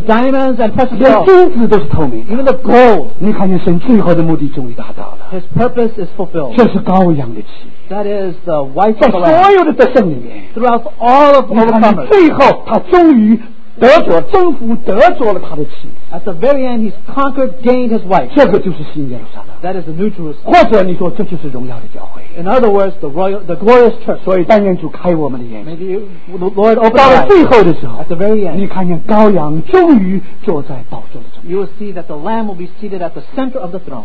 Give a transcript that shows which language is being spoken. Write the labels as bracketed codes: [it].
[en] Diamonds and precious stones. [zh] 连金子都是透明的。 [en] Even the gold. [zh] 你看见神最后的目的终于达到了。 [en] His purpose is fulfilled. [zh] 这是羔羊的妻。 [en] That is the wife of the Lamb. [zh] 在所有的得胜里面。 [en] Throughout all of the overcomers. [zh] 你看最后他终于得着征服得着了他的妻。 [en] At the very end, he's conquered, gained his wife. [zh] 这个就是新耶路撒冷。 [en] That is the new Jerusalem. [zh] 或者你说这就是荣耀的教会。 [en] In other words, the royal, the glorious church. [zh] 所以但愿主开我们的眼睛。 [en] The Lord open [zh] 到了最后的时候 [en] ，At the very end, [zh] 你看见羔羊终于坐在宝座的中间。 [en] You will see that the Lamb will be seated at the center of the throne.